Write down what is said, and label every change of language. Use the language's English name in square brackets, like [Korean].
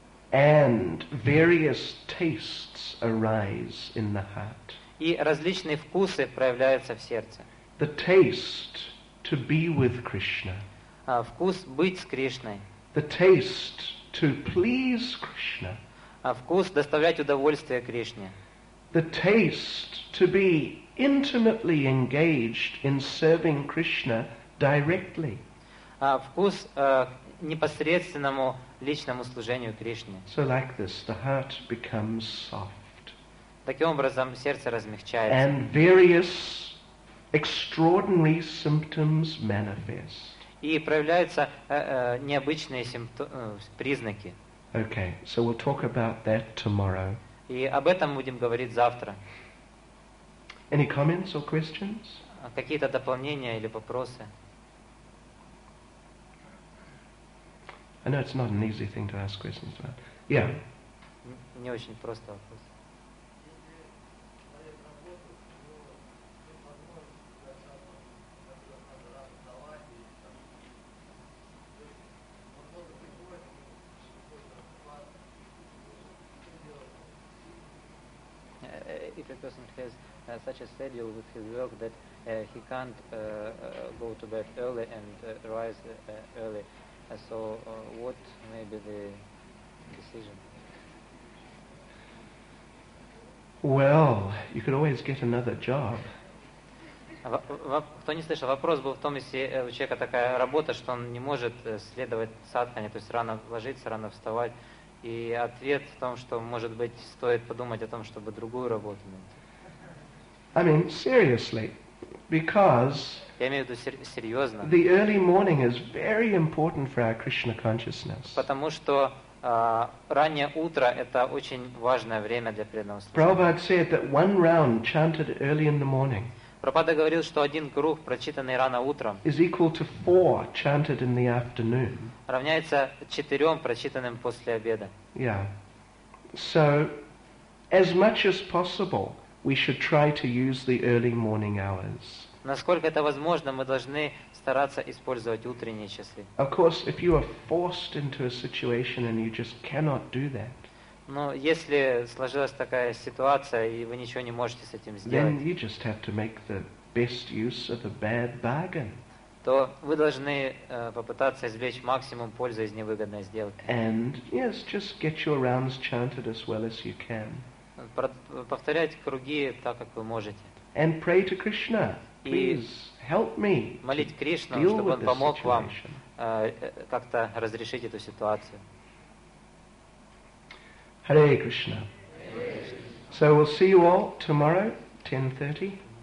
[English] And various tastes arise in the heart. [Russian] И различные вкусы проявляются в сердце. [English] The taste to be with Krishna. [Russian] Вкус быть с Кришной. [English] The taste to please Krishna. [Russian] а вкус доставлять удовольствие Кришне. [English] The taste to be intimately engaged in serving Krishna directly. [Russian] А вкус непосредственному личному служению Кришне. [English] So like this, the heart becomes soft. [Russian] Таким образом сердце размягчается. [English] And various extraordinary symptoms manifest. [Russian] И проявляются необычные признаки. [English] Okay, so we'll talk about that tomorrow. [Russian] И об этом будем говорить завтра. [English] Any comments or questions? [Russian] Какие-то дополнения или вопросы? [English] I know it's not an easy thing to ask questions about. Yeah. [Russian] Не очень просто вопрос. [English] If a person has such a schedule with his work that he can't go to bed early and rise early, so what may be the decision? Well, you could always get another job. [Russian] Кто не слышал, вопрос был в том, если у человека такая работа, что он не может следовать садхане, то есть рано ложиться, рано вставать. И ответ в том, что, может быть, стоит подумать о том, чтобы другую работу найти. [English] I mean, seriously, because [Russian] я имею в виду серьезно. [English] The early morning is very important for our Krishna consciousness. [Russian] Потому что раннее утро – это очень важное время для преданного служения. [English] Prabhupada said that one round chanted early in the morning [Russian] Прабхупада говорил, что один круг, прочитанный рано утром, [English] is equal to four chanted in the afternoon. [Russian] Равняется четырем, прочитанным после обеда. [English] Yeah. So, as much as possible, we should try to use the early morning hours. [Russian] Насколько это возможно, мы должны стараться использовать утренние часы. [English] Of course, if you are forced into a situation and you just cannot do that, [Russian] но если сложилась такая ситуация, и вы ничего не можете с этим сделать, то вы должны попытаться извлечь максимум пользы из невыгодной сделки. [English] And, yes, just get your rounds chanted as well as you can. [Russian] Повторять круги так, как вы можете. [English] And pray to Krishna, please help me. [Russian] Молить Кришну, чтобы он помог вам как-то разрешить эту ситуацию. [English] Hare Krishna. So we'll see you all tomorrow, 10:30.